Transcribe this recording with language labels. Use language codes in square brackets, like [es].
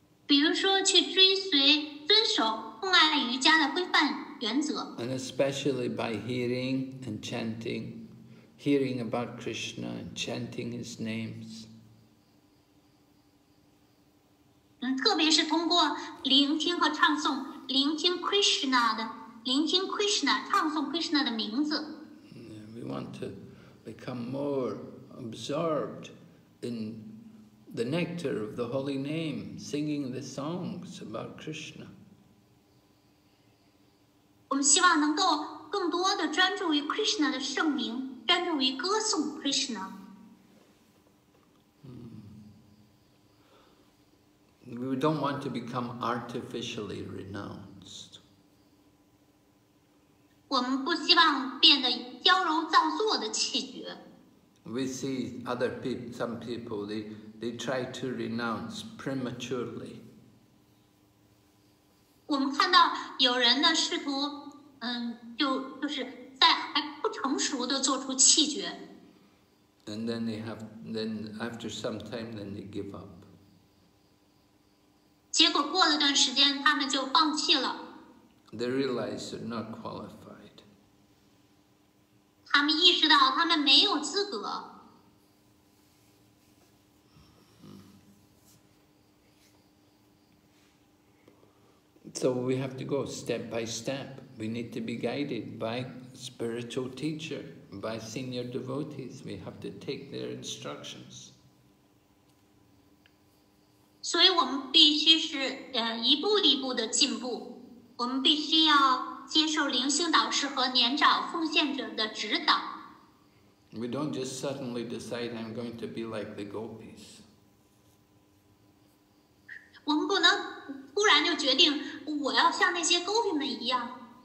[zh] 比如说去追随遵守共爱瑜伽的规范原则。 [en] And especially by hearing and chanting, hearing about Krishna and chanting his names. [zh] 特别是通过聆听和唱诵，聆听 Krishna 的，聆听 Krishna， 唱诵 Krishna 的名字。 [en] We want to become more absorbed in the nectar of the holy name, singing the songs about Krishna. [zh] 我们希望能够更多的专注于 Krishna 的圣名，专注于歌颂 Krishna。 [en] We don't want to become artificially renounced. [zh] 我们不希望变得矫揉造作的气绝。 [en] We see other people, some people, they try to renounce prematurely. [zh] 我们看到有人呢试图，就是在还不成熟的做出气绝。 [en] And then they have, then after some time, then they give up. [zh] 结果过了段时间，他们就放弃了。 [en] They realize they're not qualified. [zh] 他们意识到他们没有资格。 [en] So we have to go step by step. We need to be guided by spiritual teacher, by senior devotees. We have to take their instructions. [zh] 所以我们必须是一步一步的进步，我们必须要接受灵性导师和年长奉献者的指导。 [en] We don't just suddenly decide I'm going to be like the gopis. [zh] 我们不能忽然就决定我要像那些 gopi 们一样。